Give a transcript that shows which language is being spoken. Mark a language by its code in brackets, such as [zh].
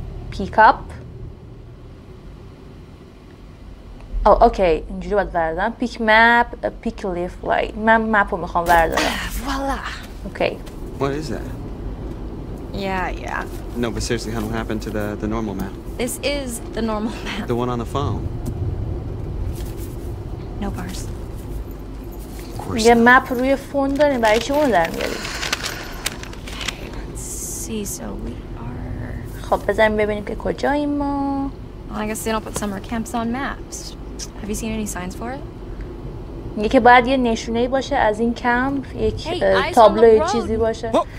[en] Pick up. [fa] او اوکی اینجوری باید بردم پیک مپ پیک لیف لای من مپ رو میخوام بردارم والا اوکی [en] what is that yeah yeah no but seriously how what happened to the normal map this is the normal map the one on the phone no bars of course [fa] یه مپ روی فون داریم برای چی اون رو در میاریم [en] see so we are [fa] خب بذاریم ببینیم که کجاییم ما [en] I guess they don't put summer camps on maps Have you seen any signs for it? [fa] یکی باید یه نشونه باشه از این کمپ یک تابلو چیزی باشه.